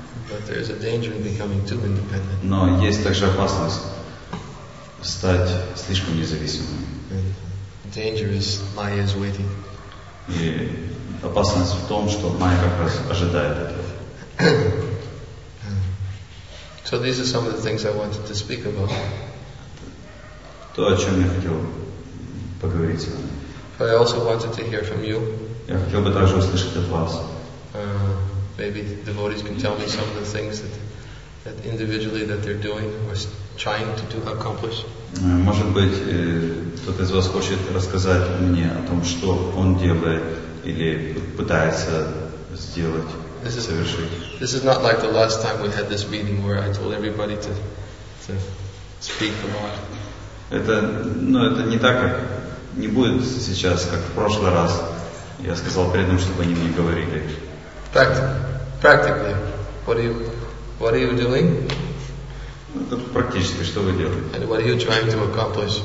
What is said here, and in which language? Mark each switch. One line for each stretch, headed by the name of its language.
English: But there is a danger in becoming too independent.
Russian: Но есть также опасность. Стать слишком независимым.
English: Dangerous, Maya is waiting.
Russian: И опасность в том, что Майя как раз ожидает этого.
English: So these are some of the things I wanted to speak about.
Russian: То, о чем я хотел поговорить с вами.
English: But I also wanted to hear from you.
Russian: Я хотел бы также услышать от вас.
English: Maybe devotees can tell me some of the things that individually that they're doing or trying to accomplish.
Russian: Может быть, кто-то из вас хочет рассказать мне о том, что он делает или пытается сделать, совершить.
English: This is not like the last time we had this meeting where I told everybody to speak a lot.
Russian: Это не так, как не будет сейчас, как в прошлый раз. Я сказал преданным, чтобы они мне говорили.
English: Practically, what are you doing?
Russian: Это практически, что вы делаете?
English: And what are you trying to accomplish?